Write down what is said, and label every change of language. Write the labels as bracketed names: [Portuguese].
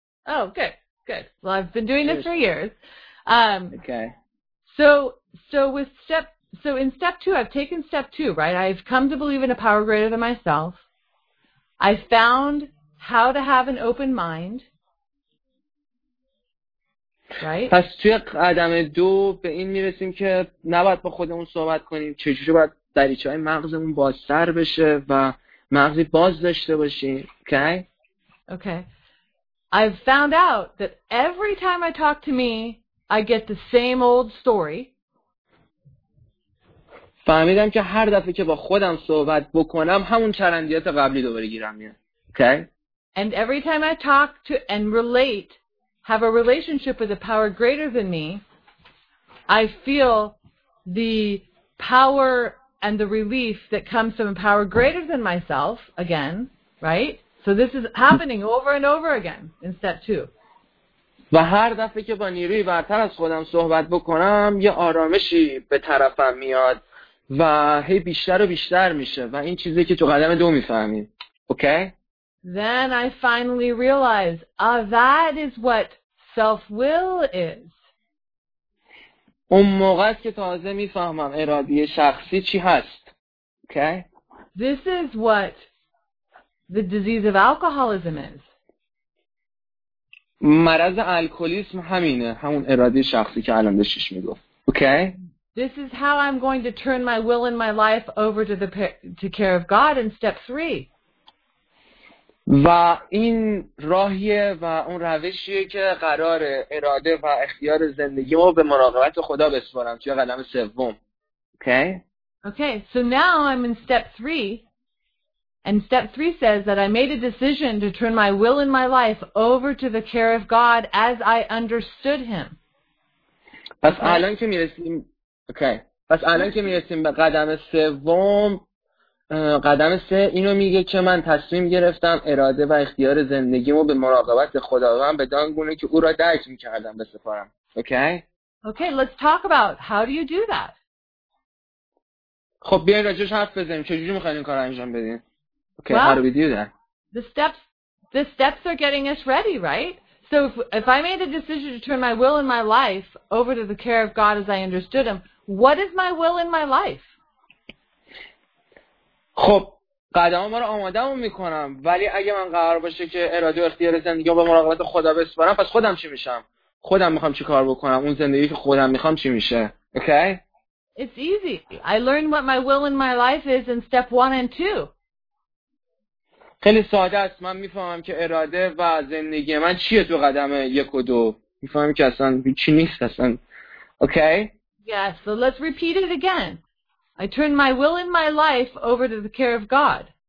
[English] Oh, good, good. Well, I've been doing this for years. Okay. So in step two, I've taken step two, right? I've come to believe in a power greater than myself. I found how to have an open mind. Right? [Persian] پس توی قدم دو به این میرسیم که نباید با خودمون صحبت کنیم. چجوری باید دریچه های مغزمون بازتر بشه و مغزی باز داشته باشیم. [English] Okay? Okay. I've found out that every time I talk to me, I get the same old story. [Persian] فهمیدم که هر دفعه که با خودم صحبت بکنم همون چرندیات قبلی دوباره گیرم میاد. [English] Okay? And every time I talk to and relate, have a relationship with a power greater than me, I feel the power and the relief that comes from a power greater than myself again, right? So this is happening over and over again in step two. [Persian] و هر دفعه که با نیروی برتر از خودم صحبت بکنم یه آرامشی به طرفم میاد و هی بیشتر و بیشتر میشه و این چیزی که تو قدم دو میفهمید. [English] Okay? Then I finally realize, that is what self-will is. [Persian] اون موقع است که تازه میفهمم اراده شخصی چی هست. [English] Okay? This is what the disease of alcoholism is. [Persian] مرض الکلیسم همینه، همون اراده شخصی که الان داشتش میگفت. [English] Okay? This is how I'm going to turn my will and my life over to the care of God in step 3. [Persian] و این راهیه و اون روشیه که قرار اراده و اختیار زندگیمو به مراقبت خدا بسپارم توی قدم سوم. Okay? [English] Okay, so now I'm in step 3. And step three says that I made a decision to turn my will and my life over to the care of God as I understood Him. [Persian] پس الان که میرسیم پس الان که میرسیم به قدم سوم، قدم سه اینو میگه که من تصمیم گرفتم اراده و اختیار زندگیمو به مراقبت خداوند بدان گونه که او را درک می‌کردم بسپارم. [English] Okay, let's talk about how do you do that. [Persian] خب بیاین راجعش حرف بزنیم، چجوری می‌خواید این کارو انجام بدین؟ Okay, [English] well, how do we do that? The steps are getting us ready, right? So if I made a decision to turn my will and my life over to the care of God as I understood Him, what is my will in my life? [Persian] خب قدمم رو آمادهمون میکنم، ولی اگه من قرار باشه که اراده و اختیار زندگیم به مراقبت خدا بسپارم، پس خودم چی میشم؟ خودم میخوام چی کار بکنم؟ اون زندگی که خودم میخوام چی میشه؟ Okay? [English] It's easy. I learn what my will in my life is in step 1 and 2. [Persian] خیلی ساده است، من میفهمم که اراده و زندگی من چیه تو قدم 1 و 2. میفهمم که اصلا چی نیست اصلا. [English] Okay? Yes, so let's repeat it again. I turn my will and my life over to the care of God.